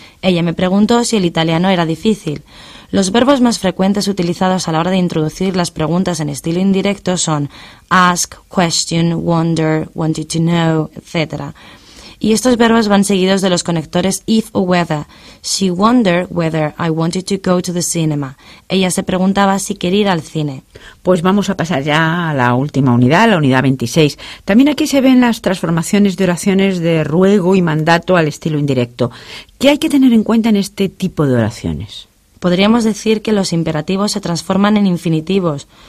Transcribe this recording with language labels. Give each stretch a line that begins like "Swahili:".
Spanish: Ella me preguntó si el italiano era difícil. Los verbos más frecuentes utilizados a la hora de introducir las preguntas en estilo indirecto son ask, question, wonder, wanted to know, etc. Y estos verbos van seguidos de los conectores if o whether.
English: She wondered whether I wanted to go to the cinema.
Spanish: Ella se preguntaba si quería ir al cine. Pues vamos a pasar ya a la última unidad, la unidad 26. También aquí se ven las transformaciones de oraciones de ruego y mandato al estilo indirecto. ¿Qué hay que tener en cuenta en este tipo de oraciones? Podríamos decir que los imperativos se transforman en infinitivos.